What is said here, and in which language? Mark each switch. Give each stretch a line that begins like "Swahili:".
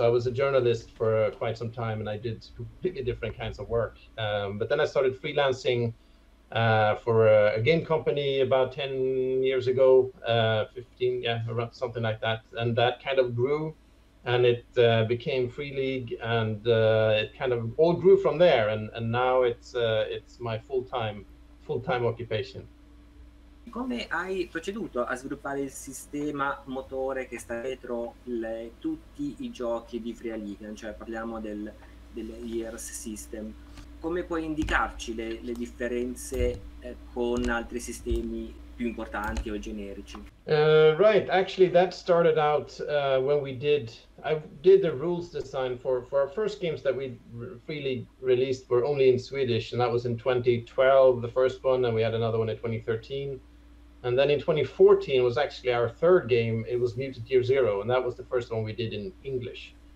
English: I was a journalist for quite some time and I did completely different kinds of work, but then I started freelancing for a game company about 10 years ago, 15, yeah, around something like that. And that kind of grew and it became Fria Ligan, and it kind of all grew from there. And now it's my full-time occupation.
Italian: Come hai proceduto a sviluppare il sistema motore che sta dietro tutti i giochi di Fria Ligan? Cioè parliamo del years system. Come puoi indicarci le differenze con altri sistemi più importanti o generici?
English: Right, actually that started out when I did the rules design for our first games that we freely released were only in Swedish, and that was in 2012, the first one, and we had another one in 2013. And then in 2014 was actually our third game, it was Mutant Year Zero, and that was the first one we did in English.